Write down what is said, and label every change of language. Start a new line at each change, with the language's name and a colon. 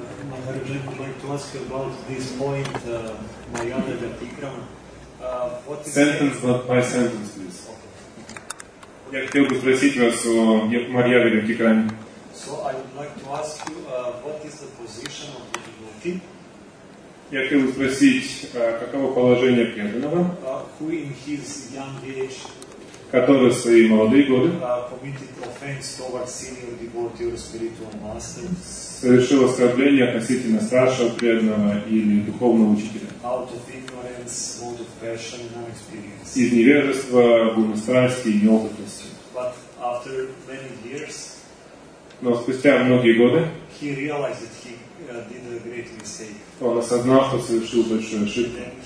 English: Maharaj, I would like to ask you about this point, Mayada Vyatikrama. Sentence, not by sentence, please.
Russian: Okay. Я хотел бы спросить вас о Mayada Vyatikrama.
English: So, I would like to ask you, what is the position of the devotee?
Russian: Я хотел бы спросить, каково положение преданного,
English: who in his young age,
Russian: который в свои молодые годы совершил оскорбление относительно старшего преданного или духовного учителя.
English: Out of ignorance, mode of passion, no experience.
Russian: Из невежества, гуманстрасти и неопытности.
English: But after many years,
Russian: но спустя многие годы
English: he realized that he did a great mistake.
Russian: Он осознал, что совершил большую ошибку.